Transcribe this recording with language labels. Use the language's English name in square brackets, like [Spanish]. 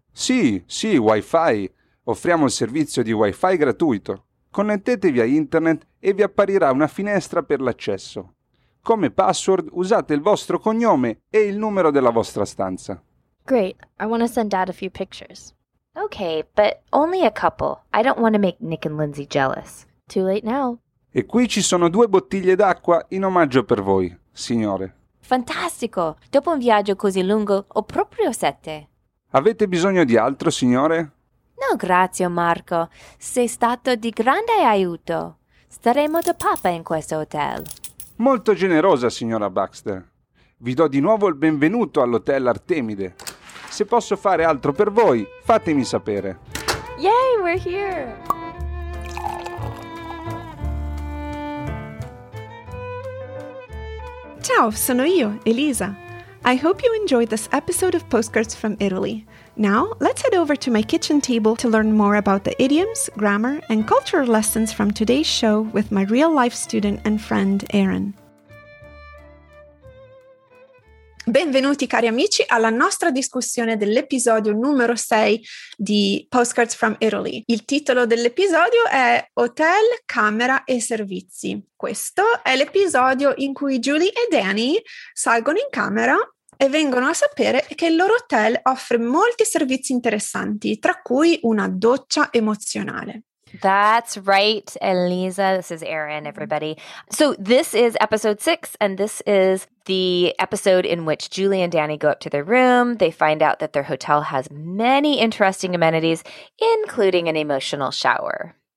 [Italian] Sì, Wi-Fi. Offriamo il servizio di Wi-Fi gratuito. Connettetevi a internet e vi apparirà una finestra per l'accesso. Come password usate il vostro cognome e il numero della vostra stanza. [English] Great, I want to send Dad a few pictures. Okay, but only a couple. I don't want to make Nick and Lindsay jealous. Too late now. [Italian] E qui ci sono due bottiglie d'acqua in omaggio per voi, signore. Fantastico! Dopo un viaggio così lungo, ho proprio sete. Avete bisogno di altro, signore? No, grazie, Marco. Sei stato di grande aiuto. Staremo da papà in questo hotel. Molto generosa, signora Baxter. Vi do di nuovo il benvenuto all'Hotel Artemide. Se posso fare altro per voi, fatemi sapere. [English] Yay, we're here! [Italian] Ciao, sono io, Elisa. [English] I hope you enjoyed this episode of Postcards from Italy. Now, let's head over to my kitchen table to learn more about the idioms, grammar, and culture lessons from today's show with my real-life student and friend, Erin. [Italian] Benvenuti, cari amici, alla nostra discussione dell'episodio numero 6 di Postcards from Italy. Il titolo dell'episodio è Hotel, Camera e Servizi. Questo è l'episodio in cui Julie e Danny salgono in camera e vengono a sapere che il loro hotel offre molti servizi interessanti, tra cui una doccia emozionale. [English] That's right, Elisa. This is Erin, everybody. So this is episode 6, and this is the episode in which Julie and Danny go up to their room. They find out that their hotel has many interesting amenities, including an emotional shower.